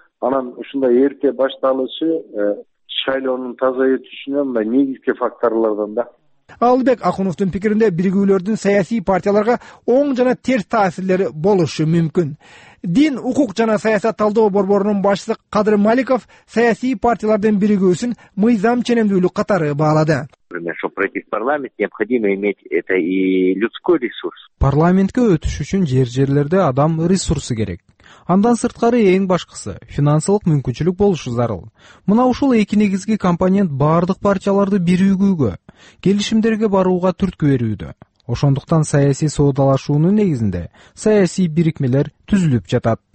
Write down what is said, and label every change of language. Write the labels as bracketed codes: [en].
[ky] Анан ушундай эрте башталышы шайлоонун таза өтүшүнө мындай негизги факторлордон да. Алыбек Акуновдун пикиринде биригүүлөрдүн саясий партияларга оң жана терс таасирлери болушу мүмкүн. Дин, укук жана саясат талдоо борборунун башчысы Кадыр Маликов саясий партиялардын биригүүсүн мыйзам ченемдүүлүк катары баалады. [ru] Чтобы пройти в парламент, необходимо иметь это и людской ресурс. [ky] Парламентке өтүш үчүн жер-жерлерде адам ресурсу керек. Андан сырткары эң башкысы финансылык мүмкүнчүлүк болушу зарыл. Мына ушул эки негизги компонент баардык партияларды биригүүгө, келишимдерге барууга түрткү берүүдө. Ошондуктан саясий соодалашуунун негизинде саясий бирикмелер түзүлүп жатат.